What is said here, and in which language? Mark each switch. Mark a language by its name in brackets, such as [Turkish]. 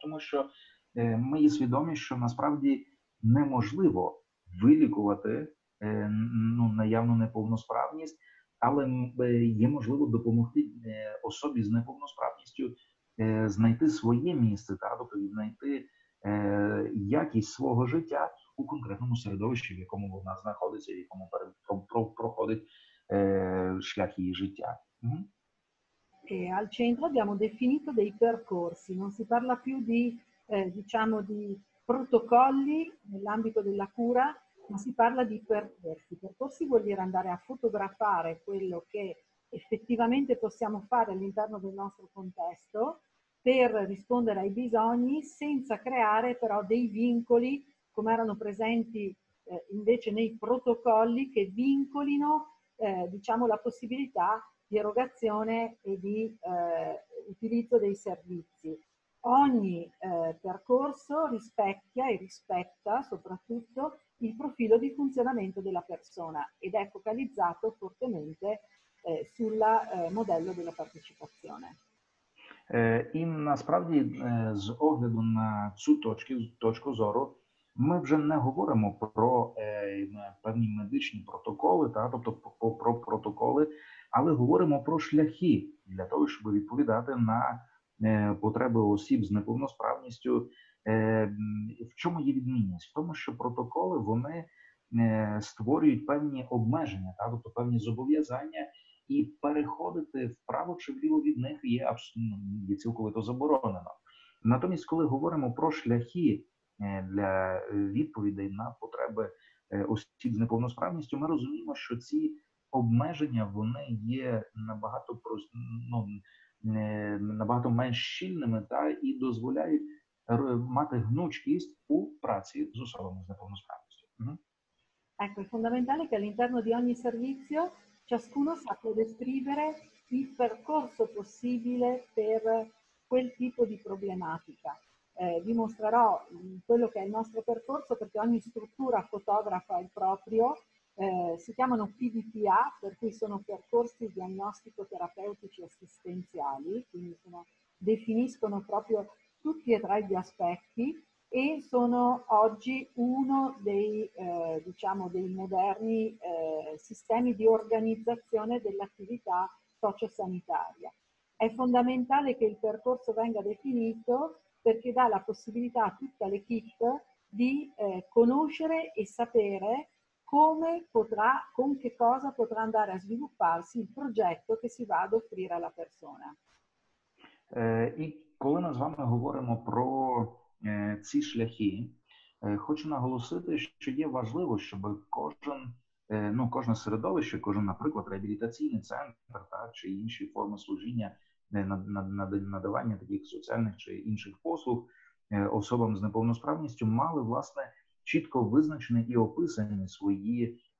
[Ukrainian] Тому що ми є свідомі, що насправді неможливо вилікувати ну, наявну неповносправність, але є можливо допомогти особі з неповносправністю знайти своє місце, так? Тобто знайти якість свого життя у конкретному середовищі, в якому вона знаходиться, в якому проходить шлях її життя. [Italian] E al centro abbiamo definito dei percorsi, non si parla più di, diciamo, di protocolli nell'ambito della cura, ma si parla di percorsi. Percorsi vuol dire andare a fotografare quello che effettivamente possiamo fare all'interno del nostro contesto per rispondere ai bisogni senza creare però dei vincoli, come erano presenti invece nei protocolli che vincolino, diciamo, la possibilità di erogazione e di utilizzo dei servizi. Ogni percorso rispecchia e rispetta soprattutto il profilo di funzionamento della persona ed è focalizzato fortemente sul modello della partecipazione. [Ukrainian] І насправді з огляду на цю точку зору ми вже не говоримо про певні медичні протоколи, та, тобто про протоколи, але говоримо про шляхи для того, щоб відповідати на потреби осіб з неповносправністю. В чому є відмінність? В тому, що протоколи, вони створюють певні обмеження, та, тобто певні зобов'язання, і переходити вправо чи вліво від них є цілковито заборонено. Натомість, коли говоримо про шляхи для відповідей на потреби осіб з неповносправністю, ми розуміємо, що ці обмеження, вони є набагато, ну, набагато менш щільними, та, і дозволяють мати гнучкість у праці з особами з неповносправністю. [Italian] Ecco, è fondamentale che all'interno di ogni servizio ciascuno sappia descrivere il percorso possibile per quel tipo di problematica. Vi mostrerò quello che è il nostro percorso, perché ogni struttura fotografa il proprio. Si chiamano PDTA, per cui sono percorsi diagnostico-terapeutici assistenziali, quindi sono, definiscono proprio tutti e tre gli aspetti e sono oggi uno dei, diciamo, dei moderni sistemi di organizzazione dell'attività sociosanitaria. È fondamentale che il percorso venga definito perché dà la possibilità a tutta l'equipe di conoscere e sapere come potrà, con che cosa potrà andare a svilupparsi il progetto che si va ad offrire alla persona. [Ukrainian] І коли ми з вами говоримо про ці шляхи, хочу наголосити, що є важливо, щоб кожен, ну, кожне середовище, кожен, наприклад, реабілітаційний центр, так, чи інші форми служіння, надавання таких соціальних чи інших послуг особам з неповносправністю, мали, власне, чітко визначені і описані свої,